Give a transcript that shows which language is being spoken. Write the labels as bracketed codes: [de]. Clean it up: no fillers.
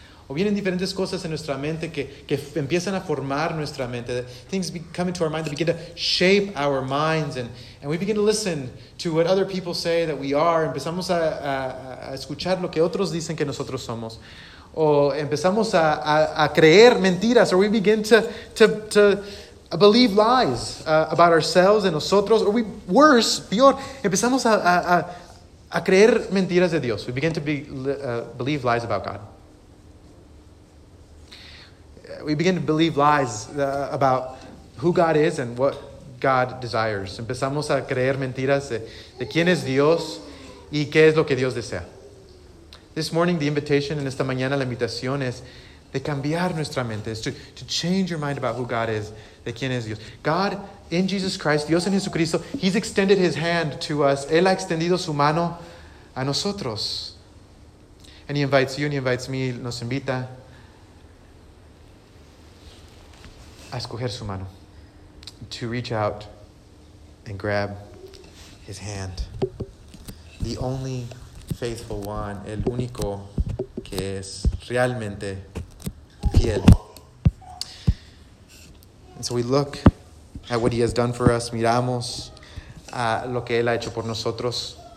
[es] O vienen diferentes cosas en nuestra mente que empiezan a formar nuestra mente. [en] Things come into our mind that begin to shape our minds. And we begin to listen to what other people say that we are. [es] Empezamos a escuchar lo que otros dicen que nosotros somos. O empezamos a creer mentiras. [en] Or we begin to believe lies about ourselves and nosotros. Or we, worse, [es] peor, empezamos a creer mentiras de Dios. [en] We begin to believe lies about God. We begin to believe lies about who God is and what God desires. [es] Empezamos a creer mentiras de quién es Dios y qué es lo que Dios desea. [en] This morning, the invitation, [es] en esta mañana, la invitación es de cambiar nuestra mente. [en] Es to change your mind about who God is, [es] de quién es Dios. [en] God, in Jesus Christ, [es] Dios en Jesucristo, [en] He's extended His hand to us. [es] Él ha extendido su mano a nosotros. [en] And He invites you and He invites me, [es] nos invita a escoger su mano, [en] to reach out and grab His hand. The only faithful one, [es] el único que es realmente fiel. [en] And so we look at what He has done for us. [es] Miramos a lo que Él ha hecho por nosotros.